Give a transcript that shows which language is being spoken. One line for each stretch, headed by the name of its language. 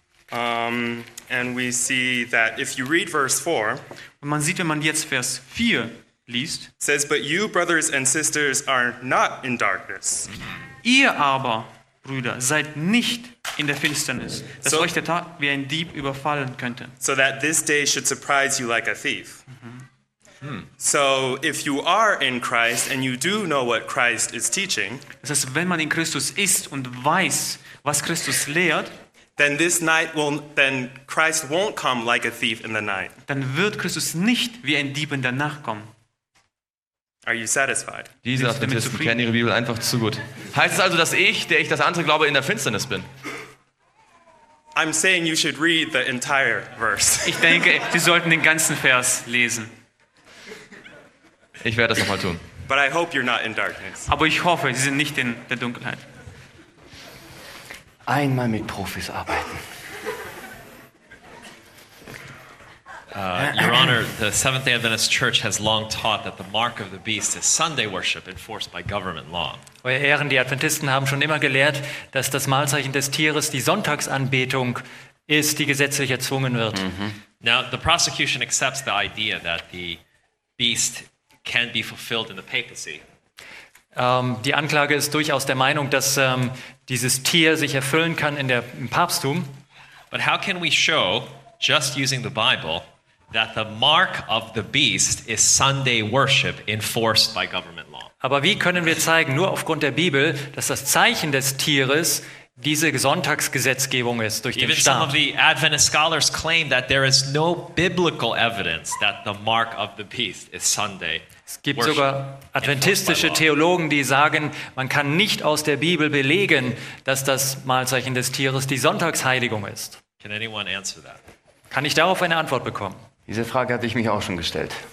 English: And we see that if you read verse 4,
German: und man sieht, wenn man jetzt Vers 4 liest,
English: says, but you brothers and sisters are not in darkness.
German: Ihr aber, Brüder, seid nicht in der Finsternis, dass euch der Tag wie ein Dieb überfallen könnte.
English: So that this day should surprise you like a thief. So if you are in Christ and you do know what Christ is teaching,
German: das heißt, wenn man in Christus ist und weiß, was Christus lehrt,
English: then this night will, then Christ won't come like a thief in the night.
German: Dann wird Christus nicht wie ein Dieb in der Nacht kommen.
English: Are you satisfied?
German: Diese Adventisten kennen ihre Bibel einfach zu gut. Heißt es also, dass ich, der ich das andere glaube, in der Finsternis bin?
English: I'm saying you should read the entire verse.
German: Ich denke, Sie sollten den ganzen Vers lesen. Ich werde das nochmal tun.
English: But I hope you're not in darkness.
German: Aber ich hoffe, Sie sind nicht in der Dunkelheit. Einmal mit Profis arbeiten.
English: Your Honor, the Seventh-day Adventist Church has long taught that the mark of the beast is Sunday worship enforced by government law.
German: Euer Ehren, die Adventisten haben schon immer gelehrt, dass das Malzeichen des Tieres die Sonntagsanbetung ist, die gesetzlich erzwungen wird.
English: Now, the prosecution accepts the idea that the beast can be fulfilled in the papacy.
German: Die Anklage ist durchaus der Meinung, dass dieses Tier sich erfüllen kann in der, im Papsttum.
English: But how can we show, just using the Bible, that the mark of the beast is Sunday worship enforced by government law?
German: Aber wie können wir zeigen, nur aufgrund der Bibel, dass das Zeichen des Tieres diese Sonntagsgesetzgebung ist durch
English: Even
German: den Staat?
English: Some of the Adventist scholars claim that there is no biblical evidence that the mark of the beast is Sunday.
German: Es gibt sogar adventistische Theologen, die sagen, man kann nicht aus der Bibel belegen, dass das Malzeichen des Tieres die Sonntagsheiligung ist.
English: Can anyone answer that?
German: Kann ich darauf eine Antwort bekommen? Diese Frage hatte ich mich auch schon gestellt.